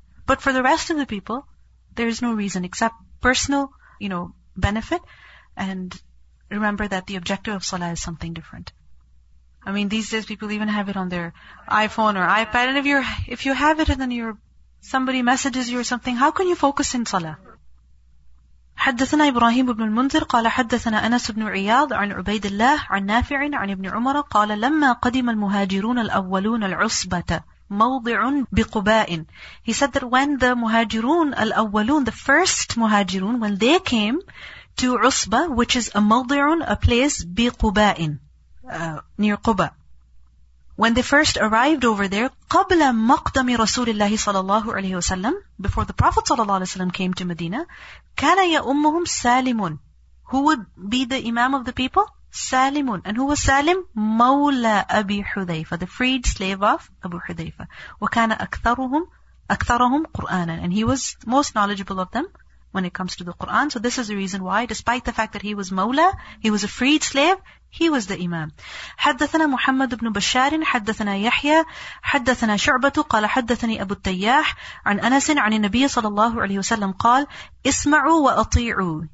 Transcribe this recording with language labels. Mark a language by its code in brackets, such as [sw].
[en] But for the rest of the people, there is no reason except personal, you know, benefit. And remember that the objective of salah is something different. I mean, these days people even have it on their iPhone or iPad. And if you have it and then somebody messages you or something, how can you focus in salah? [ar] حدثنا إبراهيم بن المنذر قال حدثنا أنس بن عياض عن عبيد الله عن نافع عن ابن عمر قال لما قدم المهاجرون الأولون العصبة موضع بقباء. [en] He said that when the muhajirun al-awwalun, the first muhajirun, when they came to Usba, which is a mawdi'un, a place biqubain, near Quba. When they first arrived over there, [ar] qabla maqdami Rasulullah [en] sallallahu alayhi wasallam, before the Prophet sallallahu alayhi wasallam came to Medina, [ar] kana ya'ummuhum Salimun. [en] Who would be the imam of the people? Salimun. And who was Salim? Mawla Abi Hudhayfa, the freed slave of Abu Hudhayfa. [ar] Wa kana aktharuhum Qur'anan. [en] And he was most knowledgeable of them when it comes to the Qur'an. So this is the reason why, despite the fact that he was Mawla, he was a freed slave, he was the Imam. [ar] حدثنا محمد بن بشار حدثنا يحيى حدثنا شعبة قال حدثني أبو التياح عن أنس عن النبي صلى الله عليه وسلم قال اسمعوا وأطيعوا.